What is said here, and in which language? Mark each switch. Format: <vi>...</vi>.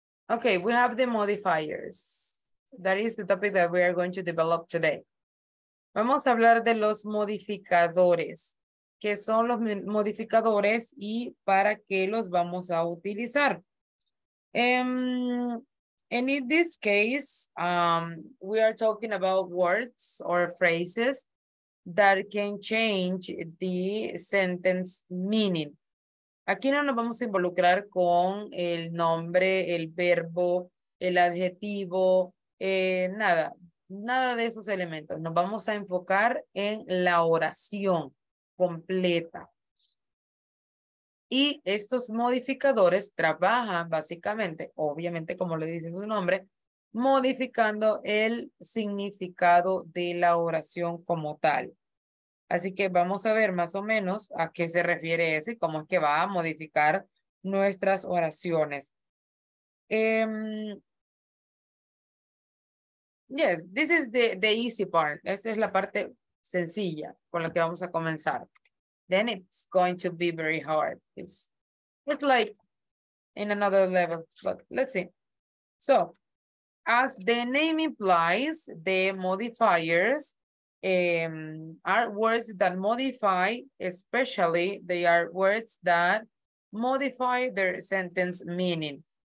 <en>Okay, we have the modifiers. That is the topic that we are going to develop today.</en> <es>Vamos a hablar de los modificadores. ¿Qué son los modificadores y para qué los vamos a utilizar?</es> <en>And in this case, we are talking about words or phrases that can change the sentence meaning.</en> <es>Aquí no nos vamos a involucrar con el nombre, el verbo, el adjetivo, nada. Nada de esos elementos. Nos vamos a enfocar en la oración completa. Y estos modificadores trabajan básicamente, obviamente como le dice su nombre, modificando el significado de la oración como tal. Así que vamos a ver más o menos a qué se refiere eso y cómo es que va a modificar nuestras oraciones.</es> <en>Yes, this is the easy part.</en> <es>Esta es la parte sencilla con la que vamos a comenzar.</es> <en>Then it's going to be very hard. It's like in another level, but let's see. So, as the name implies, the modifiers are words that modify, especially they are words that modify their sentence meaning.</en>